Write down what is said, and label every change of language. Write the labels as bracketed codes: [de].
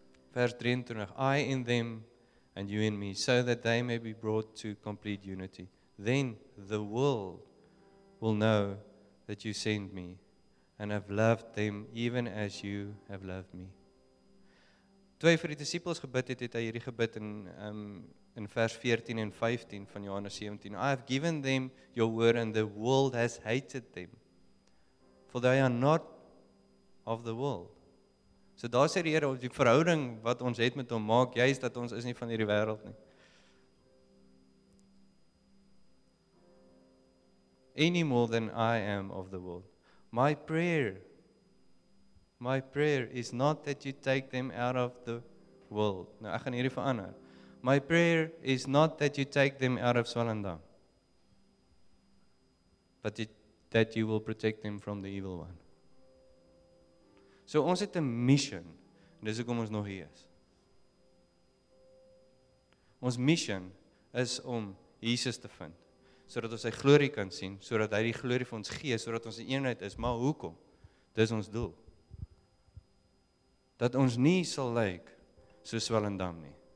[en] Vers 23, I in them and you in me, so that they may be brought to complete unity. Then the world will know that you sent me and have loved them even as you have loved me. [af] Toe hy vir die disciples gebid het, het hy hierdie gebid in vers 14 en 15 van Johannes 17. [en] I have given them your word and the world has hated them, for they are not of the world. [af] So daar sê die Here, die verhouding wat ons het met hom maak, juist dat ons is nie van hierdie wêreld nie. [en] Any more than I am of the world. My prayer is not that you take them out of the world. [af] Nou, ek gaan hierdie verander. [en] My prayer is not that you take them out of Swellendam. But that you will protect them from the evil one. [af] So ons het 'n mission, en dis hoekom ons nog hier is. Ons mission is om Jesus te vind, sodat ons sy glorie kan sien, sodat hy die glorie vir ons gee, sodat ons in eenheid is. Maar hoekom? Dis ons doel. Dat ons nie sal lyk soos Wellendam nie.